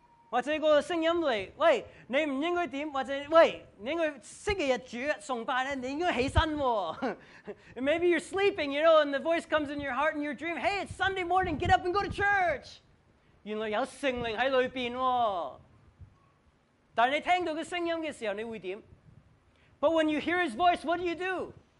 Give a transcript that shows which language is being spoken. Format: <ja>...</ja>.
<yue>或者个声音嚟，喂，你唔应该点，或者喂，你应该星期日主崇拜咧，你应该起身喎。</yue> <en>And maybe you're sleeping, you know, and the voice comes in your heart and your dream, hey, it's Sunday morning, get up and go to church.</en> <yue>原来有圣灵喺里边喎。但你听到个声音嘅时候，你会点？</yue> <en>But when you hear his voice, what do?</en>